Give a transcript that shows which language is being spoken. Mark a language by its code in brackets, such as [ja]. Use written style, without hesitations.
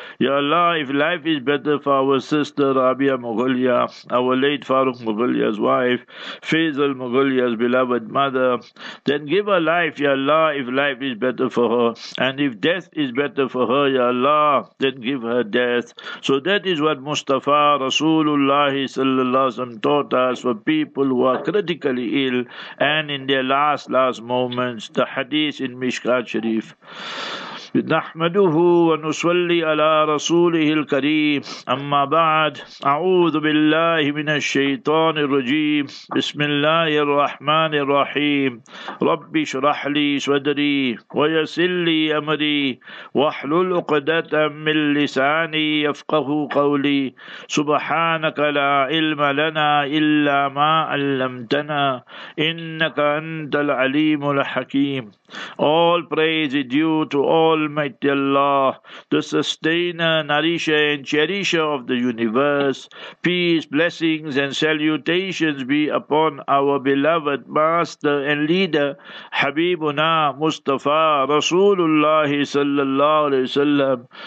[en] Ya Allah, if life is better for our sister Rabia Mogolia, our late Farooq Mogolia's wife, Faisal Mogolia's beloved mother, then give her life, Ya Allah, if life is better for her. And if death is better for her, Ya Allah, then give her death. So that is what Mustafa Rasulullah sallallahu alaihi wasallam taught us for people who are critically ill and in their last moments. The hadith in Mishkat Sharif. [ar] نحمده ونصلي على رسوله الكريم أما بعد أعوذ بالله من الشيطان الرجيم بسم الله الرحمن الرحيم رب اشرح لي صدري ويسر لي أمري واحلل عقدة من لساني يفقه قولي سبحانك لا علم لنا إلا ما علمتنا إنك أنت العليم الحكيم. [en] All praise is due to Almighty Allah, the sustainer, nourisher, and cherisher of the universe. Peace, blessings, and salutations be upon our beloved master and leader, Habibuna Mustafa Rasulullah sallallahu alayhi wa sallam.